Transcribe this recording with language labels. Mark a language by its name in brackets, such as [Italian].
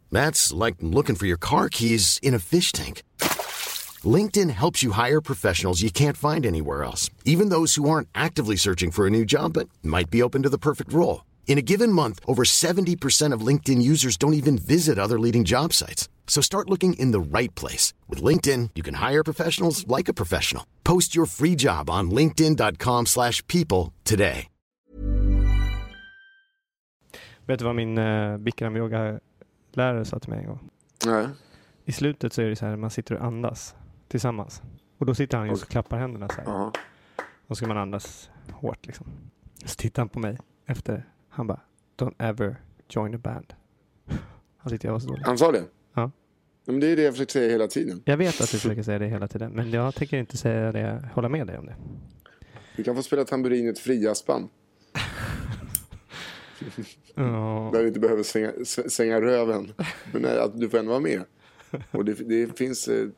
[English] That's like looking for your car keys in a fish tank. LinkedIn helps you hire professionals you can't find anywhere else, even those who aren't actively searching for a new job but might be open to the perfect role. In a given month, over 70% of LinkedIn users don't even visit other leading job sites. So start looking in the right place. With LinkedIn, you can hire professionals like a professional. Post your free job on linkedin.com/people today. [Swedish] Vet du vad min Bikram yoga lärare sa till mig en gång? Nej. I slutet så är det så här, man sitter och andas tillsammans. Och då sitter han just och klappar händerna så här. Uh-huh. Och ska man andas hårt liksom. Så tittar han på mig efter. Han bara, [English] don't ever join a band. [Swedish] Han tyckte jag var så dålig. Han sa det? Ja. Men det är det jag försöker säga hela tiden. Jag vet att du försöker säga det hela tiden. Men jag tänker inte säga det, hålla med dig om det. Du kan få spela tamburin i ett fria spann. Där du inte behöver svänga röven. Men nej, du får ändå vara med. Och det finns...